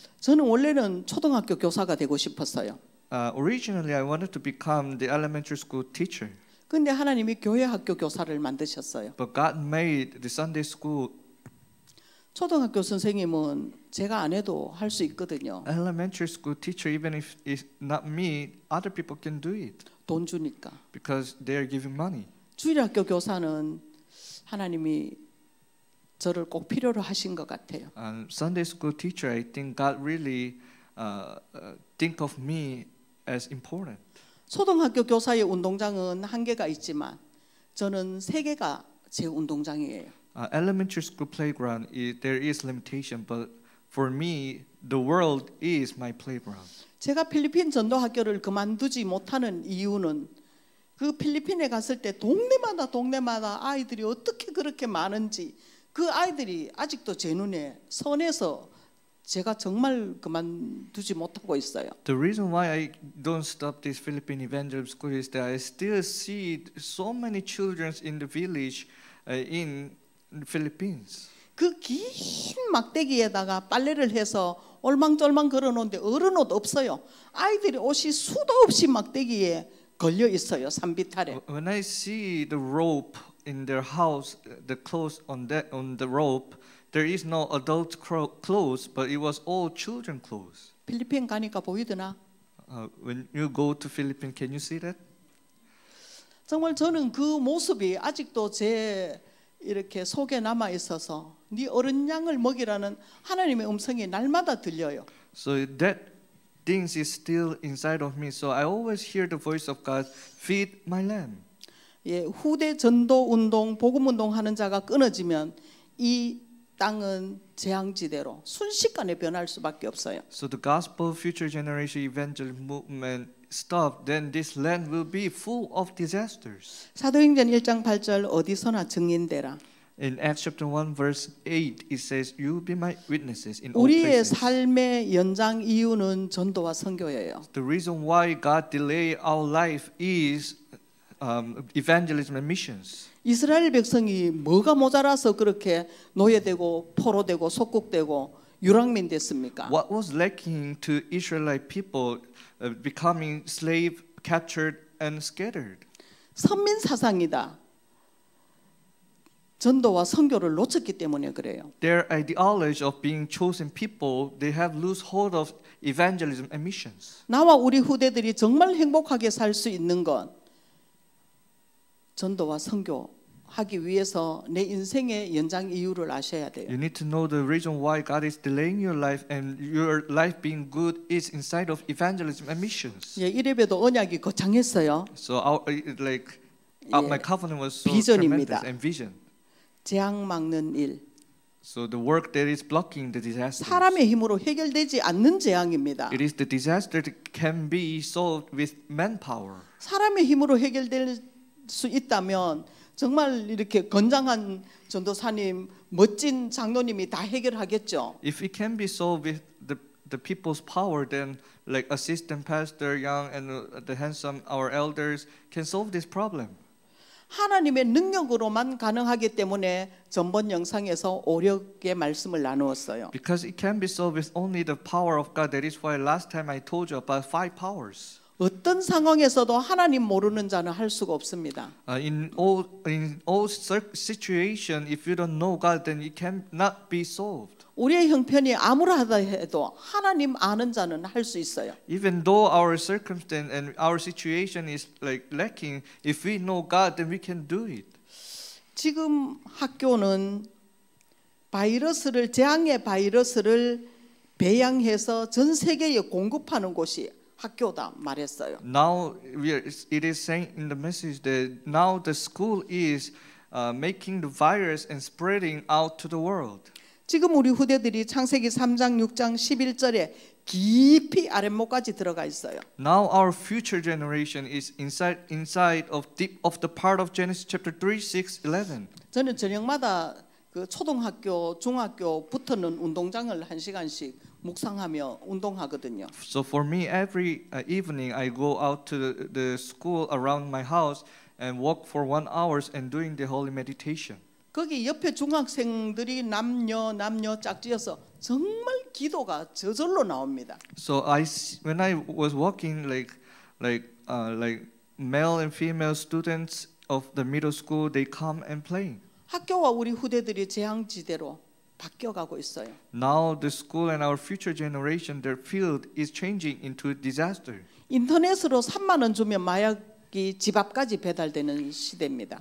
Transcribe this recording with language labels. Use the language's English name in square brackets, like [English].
[Korean] 저는 원래는 초등학교 교사가 되고 싶었어요. [English] Originally, I wanted to become the elementary school teacher. [Korean] 근데 하나님이 교회 학교 교사를 만드셨어요. [English] But God made the Sunday school. [Korean] 초등학교 선생님은 제가 안 해도 할 수 있거든요. [English] Elementary school teacher, even if it's not me, other people can do it. [Korean] 돈 주니까. [English] Because they are giving money. [Korean] 주일학교 교사는 하나님이 저를 꼭 필요로 하신 것 같아요. [English] Sunday school teacher, I think God really think of me as important. [Korean] 초등학교 교사의 운동장은 한계가 있지만 저는 세계가 제 운동장이에요. [English] Elementary school playground, there is limitation, but for me, the world is my playground. [Korean] 제가 필리핀 전도학교를 그만두지 못하는 이유는 그 필리핀에 갔을 때 동네마다 동네마다 아이들이 어떻게 그렇게 많은지 그 아이들이 아직도 제 눈에 선해서 제가 정말 그만두지 못하고 있어요. [English] The reason why I don't stop this Philippine Evangelism school is that I still see so many children in the village in Philippines. [Korean] 그 긴 막대기에다가 빨래를 해서 얼망절망 걸어놓는데 어른 옷 없어요. 아이들의 옷이 수도 없이 막대기에 걸려 있어요. 산비탈에. [English] When I see the rope in their house, the clothes on the rope, there is no adult clothes, but it was all children clothes. [Korean] 필리핀 가니까 보이더나? [English] When you go to Philippines, can you see that? [Korean] 정말 저는 그 모습이 아직도 제 이렇게 속에 남아 있어서 네 어른 양을 먹이라는 하나님의 음성이 날마다 들려요. [English] So that things is still inside of me. So I always hear the voice of God, feed my lamb. [Korean] 예, 후대 전도 운동, 복음 운동 하는 자가 끊어지면 이 땅은 재앙지대로 순식간에 변할 수밖에 없어요. [English] So the gospel future generation evangelism movement stop, then this land will be full of disasters. [Korean] 사도행전 1장 8절 어디서나 증인되라. [English] In Acts chapter 1 verse 8 it says you be my witnesses in all places. [Korean] 우리의 삶의 연장 이유는 전도와 선교예요. [English] The reason why God delay our life is evangelism and missions. [Korean] 이스라엘 백성이 뭐가 모자라서 그렇게 노예되고 포로되고 속국되고 유랑민 됐습니까? [English] What was lacking to Israelite people becoming slave, captured, and scattered? [Korean] 선민 사상이다. 전도와 선교를 놓쳤기 때문에 그래요. [English] Their ideology of being chosen people, they have lose hold of evangelism and missions. [Korean] 나와 우리 후대들이 정말 행복하게 살 수 있는 건 전도와 선교 하기 위해서 내 인생의 연장 이유를 아셔야 돼요. [English] You need to know the reason why God is delaying your life and your life being good is inside of evangelism and missions. [Korean] 예, 이래봬도 언약이 거창했어요. [English] So our, like, 예, my covenant was so [Korean] 비전입니다. [English] Tremendous and vision. [Korean] 재앙 막는 일. [English] So the work that is blocking the disaster. [Korean] 사람의 힘으로 해결되지 않는 재앙입니다. [English] It is the disaster that can be solved with manpower. [Korean] 사람의 힘으로 해결될 수 있다면 정말 이렇게 건장한 전도사님, 멋진 장로님이 다 해결하겠죠. [English] If it can be solved with the people's power, then like assistant pastor Young and the handsome our elders can solve this problem. [Korean] 하나님의 능력으로만 가능하기 때문에 전번 영상에서 오력의 말씀을 나누었어요. [English] Because it can be solved with only the power of God, that is why last time I told you about five powers. [Korean] 어떤 상황에서도 하나님 모르는 자는 할 수가 없습니다. [English] In all situation, if you don't know God, then it cannot be solved. [Korean] 우리의 형편이 아무라하다 해도 하나님 아는 자는 할 수 있어요. [English] Even though our circumstance and our situation is like lacking, if we know God, then we can do it. [Korean] 지금 학교는 바이러스를 재앙의 바이러스를 배양해서 전 세계에 공급하는 곳이 학교다 말했어요. [English] Now it is saying in the message that now the school is making the virus and spreading out to the world. [Korean] 지금 우리 후대들이 창세기 3장 6장 11절에 깊이 아랫목까지 들어가 있어요. [English] Now our future generation is inside of deep of the part of Genesis chapter 3:6-11. [Korean] 저는 저녁마다 그 초등학교, 중학교 붙는 운동장을 한 시간씩 묵상하며 운동하거든요. [English] So for me, every evening I go out to the school around my house and walk for 1 hour and doing the holy meditation. [Korean] 거기 옆에 중학생들이 남녀 짝지어서 정말 기도가 저절로 나옵니다. [English] So when I was walking like male and female students of the middle school, they come and playing. [Korean] 학교와 우리 후대들이 재앙지대로 바뀌어가고 있어요. [English] Now the school and our future generation, their field is changing into disaster. [Korean] 인터넷으로 3만 원 주면 마약 이 집 앞까지 배달되는 시대입니다.